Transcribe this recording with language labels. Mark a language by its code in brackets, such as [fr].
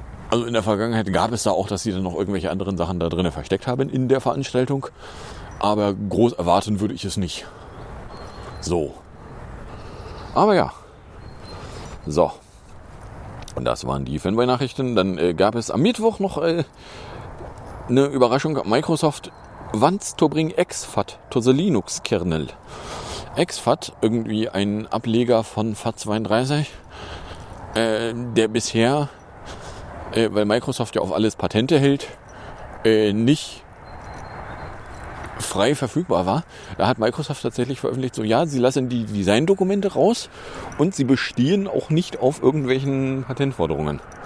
[de] Also in der Vergangenheit gab es da auch, dass sie dann noch irgendwelche anderen Sachen da drin versteckt haben in der Veranstaltung. Aber groß erwarten würde ich es nicht. So. Aber ja. So. Und das waren die Fanboy-Nachrichten. Dann gab es am Mittwoch noch eine Überraschung. [en] Microsoft wants to bring XFAT to the Linux-Kernel. [de] XFAT, irgendwie ein Ableger von FAT32, der bisher, weil Microsoft ja auf alles Patente hält, nicht frei verfügbar war. Da hat Microsoft tatsächlich veröffentlicht, so ja, sie lassen die Design-Dokumente raus und sie bestehen auch nicht auf irgendwelchen Patentforderungen.